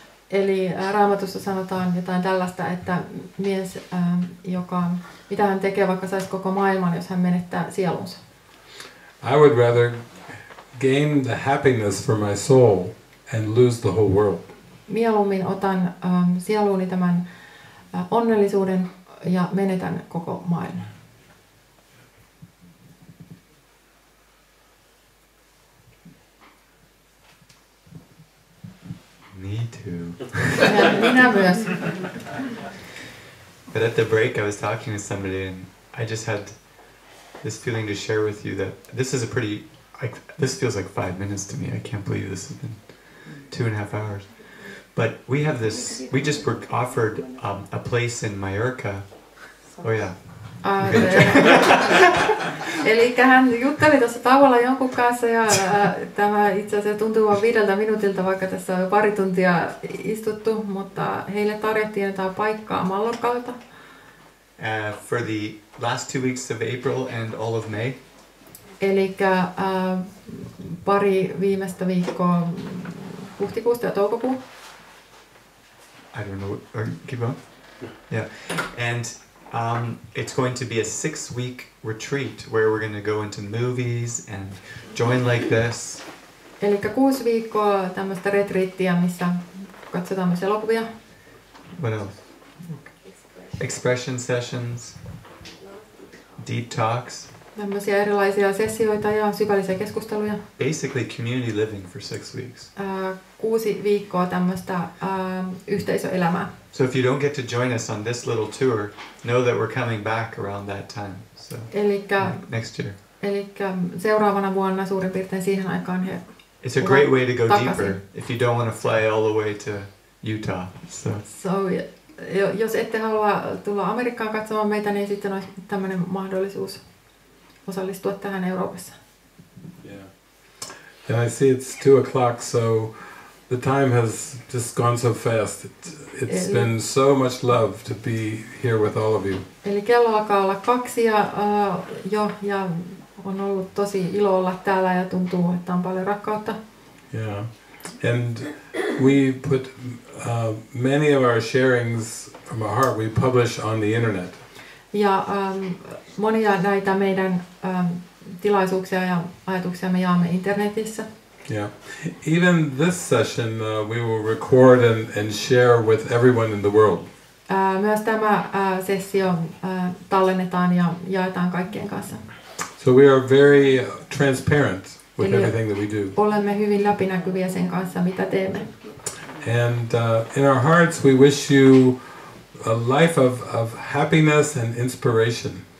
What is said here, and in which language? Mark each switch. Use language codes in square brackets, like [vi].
[fi] Eli Raamatussa sanotaan jotain tällaista, että mies, joka, mitä hän tekee, vaikka saisi koko maailman, jos hän menettää sielunsa. [en] I would rather gain the happiness for my soul and lose the whole world. [fi] Mieluummin otan sieluuni tämän onnellisuuden ja menetän koko maailman. [en] Me too. [fi] Minä myös. [en] But at the break I was talking to somebody and I just had this feeling to share with you that this is a pretty, like, this feels like 5 minutes to me. I can't believe this has been 2.5 hours. But we have this, we just were offered a place in Mallorca. Oh yeah. [fi] Eli hän jutteli tuossa tauolla jonkun kanssa ja tämä itse asiassa tuntuu vain 5 minuutilta, vaikka tässä on jo pari tuntia istuttu, mutta heille tarjottiin jotain paikkaa Mallorcalta. [en] For the last 2 weeks of April and all of May. [fi] Eli pari viimeistä viikkoa huhtikuusta ja toukokuun. [en] I don't know, keep on. Yeah, and it's going to be a 6-week retreat where we're going to go into movies and join like this. [fi] Eli 6 viikkoa tämmöstä retriittiä, missä katsotaan tämmöisiä elokuvia. [en] What else? Expression sessions. Deep talks. [fi] Tämmöisiä erilaisia sessioita ja syvällisiä keskusteluja. [en] Basically community living for 6 weeks. [fi] 6 viikkoa tämmöistä yhteisöelämää. [en] So if you don't get to join us on this little tour, know that we're coming back around that time. So [fi] elikkä, [en] next year. [fi] Elikkä seuraavana vuonna suurin piirtein siihen aikaan he. [en] It's a great way to go [fi] takaisin. [en] Deeper if you don't want to fly all the way to Utah. So, [fi] jos ette halua tulla Amerikkaan katsomaan meitä, niin sitten olisi tämmöinen mahdollisuus osallistua tähän Euroopassa. [en] Yeah. And I see it's 2 o'clock, so the time has just gone so fast. It's been so much love to be here with all of you. [fi] Eli kello alkaa olla 2 ja on ollut tosi ilo olla täällä ja tuntuu, että on paljon rakkautta. [en] Yeah, and we put many of our sharings from our heart, we publish on the internet. [fi] Ja monia näitä meidän tilaisuuksia ja ajatuksia me jaamme internetissä. [en] Yeah, even this session we will record and share with everyone in the world. [fi] Myös tämä sessio tallennetaan ja jaetaan kaikkien kanssa. [en] So we are very transparent with everything that we do. [fi] Olemme hyvin läpinäkyviä sen kanssa, mitä teemme. [en] And in our hearts we wish you a life of happiness and inspiration.